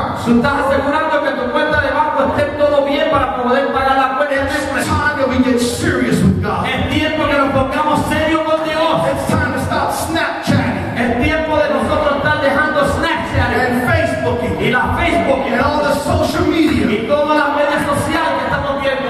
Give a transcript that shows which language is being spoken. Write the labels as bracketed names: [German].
[Spanish] ¿Estás asegurando que tu cuenta de banco esté todo bien para poder pagar la cuenta? [English] It's time that we get serious with God. [Spanish] Es tiempo que nos pongamos serios con Dios. [English] It's time to stop Snapchatting. [Spanish] Es tiempo de nosotros estar dejando Snapchatting. [English] And Facebooking. [Spanish] Y la Facebooking. [English] And all the social media. [Spanish] Y todas las redes sociales que estamos viendo.